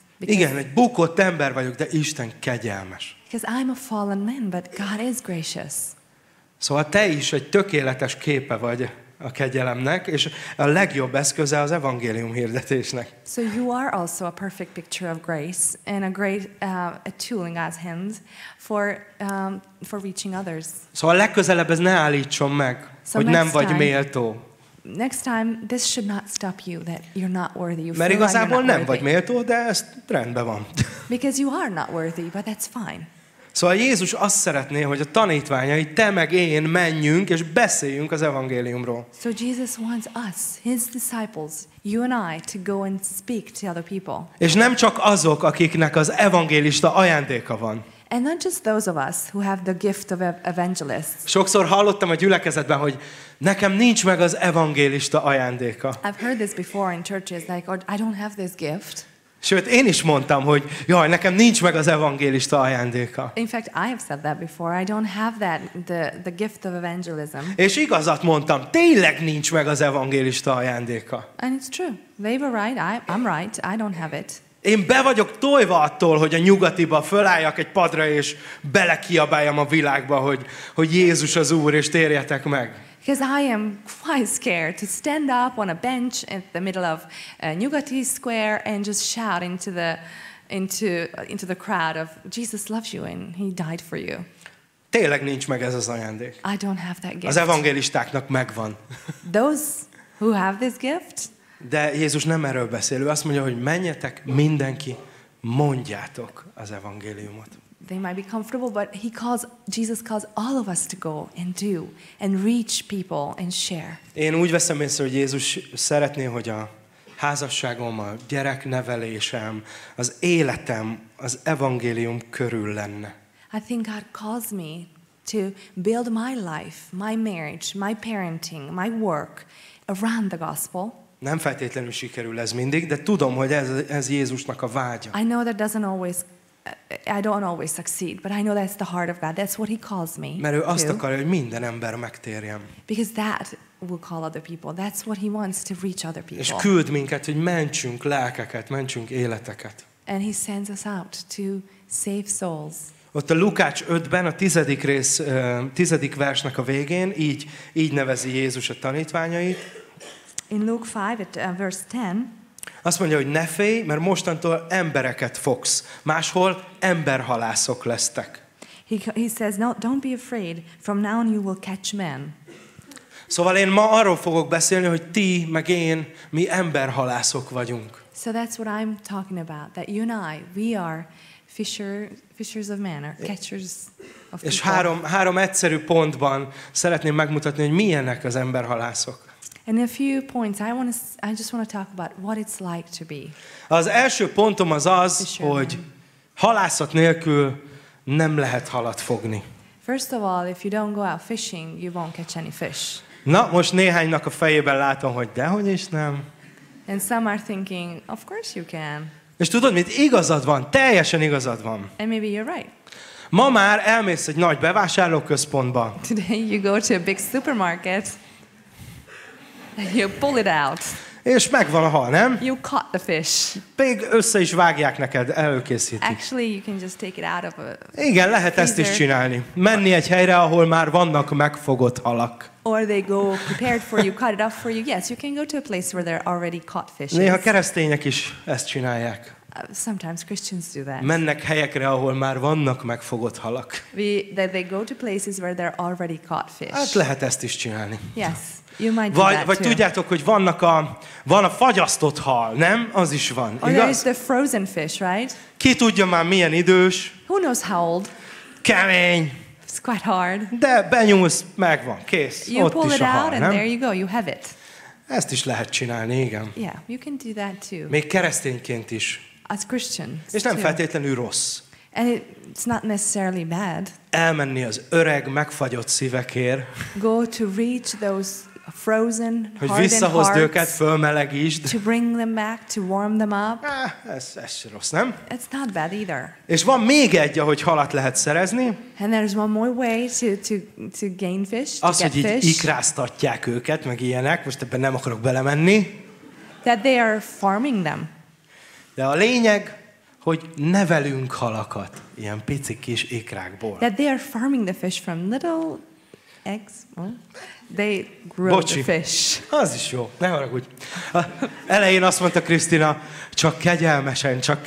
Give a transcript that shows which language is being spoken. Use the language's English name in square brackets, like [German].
[Hungarian] Igen, egy bukott ember vagyok, de Isten kegyelmes. [English] Because I'm a fallen man, but God is gracious. [Hungarian] Szóval te is egy tökéletes képe vagy a kegyelemnek, és a legjobb eszköze az evangélium hirdetésnek. [English] So you are also a perfect picture of grace and a great a tool in God's hands for reaching others. [Hungarian] Szóval legközelebb ez ne állítson meg, so hogy nem vagy méltó. [English] Next time this should not stop you that you're not worthy. You [Hungarian] mert igazából like nem worthy. Vagy méltó, de ez rendben van. [English] Because you are not worthy, but that's fine. [Hungarian] Szóval Jézus azt szeretné, hogy a tanítványai, te meg én menjünk és beszéljünk az evangéliumról. [English] So Jesus wants us, his disciples, you and I to go and speak to other people. [Hungarian] És nem csak azok, akiknek az evangélista ajándéka van. [English] And not just those of us who have the gift of evangelists. [Hungarian] Sokszor hallottam a gyülekezetben, hogy nekem nincs meg az evangélista ajándéka. [English] I've heard this before in churches like I don't have this gift. [Hungarian] Sőt, én is mondtam, hogy jaj, nekem nincs meg az evangélista ajándéka. [English] In fact, I have said that before. I don't have that, the gift of evangelism. [Hungarian] És igazat mondtam, tényleg nincs meg az evangélista ajándéka. [English] And it's true. They were right. I'm right. I don't have it. [Hungarian] Én be vagyok tojva attól, hogy a nyugatiba fölálljak egy padra, és belekiabáljam a világba, hogy Jézus az Úr, és térjetek meg. [English] Because I am quite scared to stand up on a bench in the middle of Nyugati Square and just shout into the crowd of Jesus loves you and he died for you. [Hungarian] Tényleg nincs meg ez az ajándék. [English] I don't have that gift. [Hungarian] Az evangélistáknak megvan. [English] Those who have this gift. [Hungarian] De Jézus nem erről beszél. Ő azt mondja, hogy menjetek mindenki, mondjátok az evangéliumot. [English] They might be comfortable, but Jesus calls all of us to go and do and reach people and share. [Hungarian] Én úgy veszem észre, hogy Jézus szeretné, hogy a házasságom, a gyereknevelésem, az életem az evangélium körül lenne. [English] I think God calls me to build my life, my marriage, my parenting, my work around the gospel. [Hungarian] Nem feltétlenül sikerül ez mindig, de tudom, hogy ez Jézusnak a vágya. [English] I know that doesn't always I don't always succeed, but I know that's the heart of God. That's what he calls me. [Hungarian] Mert ő azt akarja, hogy minden ember megtérjen. [English] Because that will call other people. That's what he wants to reach other people. [Hungarian] És küld minket, hogy mentsünk lelkeket, mentsünk életeket. [English] And he sends us out to save souls. [Hungarian] Ott a Lukács 5-ben, a tizedik versnek a végén, így nevezi Jézus a tanítványait. [English] In Luke 5, at verse 10, [Hungarian] azt mondja, hogy ne félj, mert mostantól embereket fogsz. Máshol emberhalászok lesztek. [English] He says, no, don't be afraid. From now on you will catch men. [Hungarian] Szóval én ma arról fogok beszélni, hogy ti, meg én, mi emberhalászok vagyunk. [English] So that's what I'm talking about. That you and I, we are fishers of men, or catchers of people. [Hungarian] És három egyszerű pontban szeretném megmutatni, hogy milyenek az emberhalászok. [English] And a few points I just want to talk about what it's like to be. [Hungarian] Az első pontom az, hogy halászat nélkül nem lehet halat fogni. [English] First of all, if you don't go out fishing, you won't catch any fish. [Hungarian] Na, most néhánynak a fejében látom, hogy dehogy is nem. [English] And some are thinking, of course you can. [Hungarian] És tudod mit, igazad van, teljesen igazad van. [English] And maybe you're right. [Hungarian] Ma már elmész egy nagy bevásárlóközpontba. [English] Today you go to a big supermarket. You pull it out. [Hungarian] És megvan a hal, nem? [English] You caught the fish. [Hungarian] Még össze is vágják neked, előkészítik. [English] Actually, you can just take it out of a [Hungarian] igen, lehet [English] freezer. [Hungarian] Ezt is csinálni. Menni egy helyre, ahol már vannak megfogott halak. [English] Or they go prepared for you, cut it up for you. Yes, you can go to a place where they're already caught fishes. [Hungarian] Néha keresztények is ezt csinálják. [English] Sometimes Christians do that. [Hungarian] Mennek helyekre, ahol már vannak megfogott halak. [English] They go to places where they're already caught fish. [Hungarian] Hát lehet ezt is csinálni. [English] Yes, you might do [Hungarian] vagy, [English] that [Hungarian] vagy [English] too. [Hungarian] Tudjátok, hogy vannak a van a fagyasztott hal, nem? Az is van. [English] Or there is the frozen fish, right? [Hungarian] Ki tudja már milyen idős? [English] Who knows how old? [Hungarian] Kemény. [English] It's quite hard. [Hungarian] De benyúlsz, megvan, kész. [English] You [Hungarian] ott [English] pull [Hungarian] is [English] it [Hungarian] a hal, [English] out [Hungarian] nem? [English] And there you go, you have it. [Hungarian] Ezt is lehet csinálni, igen. [English] Yeah, you can do that too. [Hungarian] Még keresztényként is. [English] As Christians. [Hungarian] És nem feltétlenül rossz. [English] And it's not necessarily bad. [Hungarian] Elmenni az öreg, megfagyott szívekért. [English] Go to reach those frozen, hardened hearts. [Hungarian] Hogy visszahozd őket, fölmelegítsd. [English] To bring them back, to warm them up. [Hungarian] Ez sem rossz, nem? [English] It's not bad either. [Hungarian] És van még egy, ahogy halat lehet szerezni. [English] And there's one more way to gain fish. [Hungarian] Az, hogy így ikráztatják őket, meg ilyenek. Most ebben nem akarok belemenni. [English] That they are farming them. [Hungarian] De a lényeg, hogy nevelünk halakat ilyen pici kis ikrákból. [English] That they are farming the fish from little eggs. They grow [Hungarian] Bocsi. [English] The fish. [Hungarian] Az is jó. Ne haragudj. Elején azt mondta Krisztina, csak kegyelmesen.